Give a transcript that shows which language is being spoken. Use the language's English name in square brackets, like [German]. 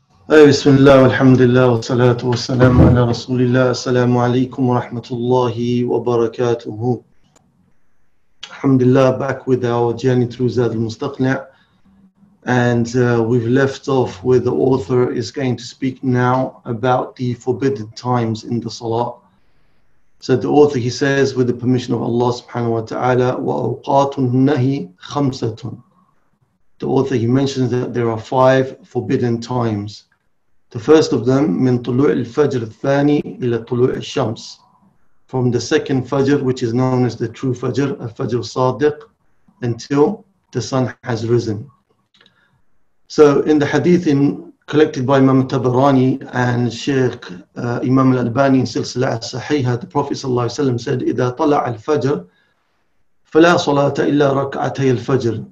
[Arabic] بسم الله والحمد لله والصلاة والسلام على رسول الله السلام عليكم ورحمة الله وبركاته الحمد لله [English] back with our journey through Zad al-Mustaqnia and we've left off where the author is going to speak now about the forbidden times in the Salah. So the author he says with the permission of Allah subhanahu wa ta'ala [Arabic] وَأَوْقَاتٌ نَهِي خَمْسَةٌ. [English] The author he mentions that there are five forbidden times. The first of them, [Arabic] من طلوع الفجر الثاني إلى طلوع الشمس. [English] From the second Fajr, which is known as the true Fajr, Al-Fajr Sadiq, until the sun has risen. So in the hadith in, collected by Imam Tabarani and Sheikh Imam Al-Albani in Silsila Al-Sahihah, the Prophet Sallallahu Alaihi Wasallam said, [Arabic] إِذَا طَلَعَ الْفَجْرِ فَلَا صَلَاتَ إِلَّا رَكْعَتَيَ الْفَجْرِ.